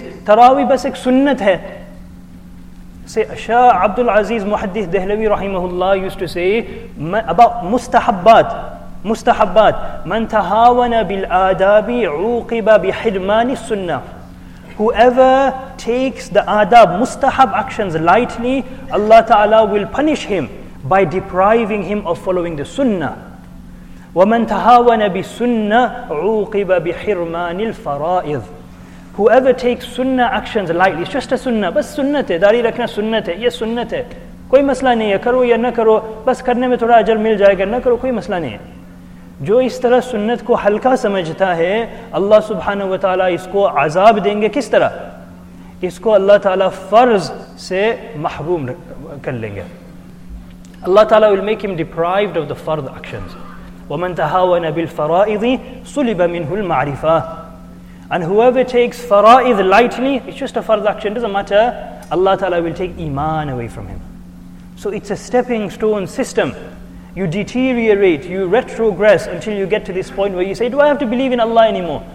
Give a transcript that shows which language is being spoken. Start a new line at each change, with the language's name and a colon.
Urdu: Taraweeh bas ek sunnat hai.
English: Say, Shah Abdul Aziz Muhaddith Dehlawi rahimahullah used to say about mustahabbat,
Arabic: man tahawana bil adabi uqiba bi hidmani sunnah.
English: Whoever takes the adab, mustahab actions lightly, Allah Ta'ala will punish him by depriving him of following the sunnah.
Arabic: وَمَنْ تَهَاوَنَ بِسُنَّةِ عُوْقِبَ بِحِرْمَانِ الْفَرَائِضِ
English: Whoever takes sunnah actions lightly, it's just a sunnah,
Urdu: بس سنت ہے, داری رکھنا سنت ہے, یہ سنت ہے, کوئی مسئلہ نہیں ہے, کرو یا نہ کرو, بس کرنے میں تھوڑا اجر مل جائے گا, نہ کرو, کوئی مسئلہ نہیں ہے. جو اس طرح سنت کو ہلکا سمجھتا ہے, اللہ سبحانہ وتعالی اس کو عذاب دیں گے. کس طرح؟ اس کو اللہ تعالی فرض سے محروم کر لیں گے.
English: اللہ تعالی will make him deprived of the fard actions.
Arabic: وَمَنْ تَهَاوَنَ بِالْفَرَائِضِ صُلِبَ مِنْهُ الْمَعْرِفَةِ
English: And whoever takes fara'id lightly, it's just a fard action, doesn't matter, Allah Ta'ala will take iman away from him. So it's a stepping stone system. You deteriorate, you retrogress until you get to this point where you say, do I have to believe in Allah anymore?